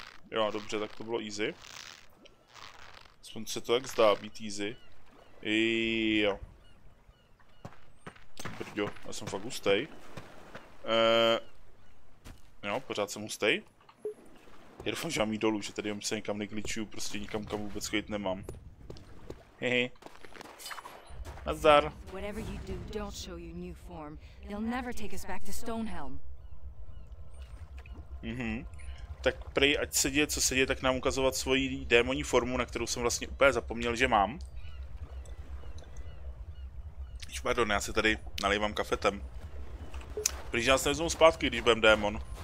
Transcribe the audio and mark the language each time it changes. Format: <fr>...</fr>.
<cs>Jo, dobře, tak to bylo easy. Aspoň se to tak zdá být easy. Jo. Brďo, já jsem fakt hustej. Jo, pořád jsem hustej. Já doufám, že mám jít dolů, že tady jenom se někam negličuju, prostě nikam kam vůbec chodit nemám. Hehe. Nazdar.</cs> <en>Whatever you do, don't show your new form. They'll never take us back to Stonehelm. Mhm.</en> <cs>Tak prej, ať se děje, co se děje, tak nám ukazovat svoji démonní formu, na kterou jsem vlastně úplně zapomněl, že mám. Pardon, já se tady nalívám kafetem. Prý, že nás nevezmou zpátky, když budem démon.</cs>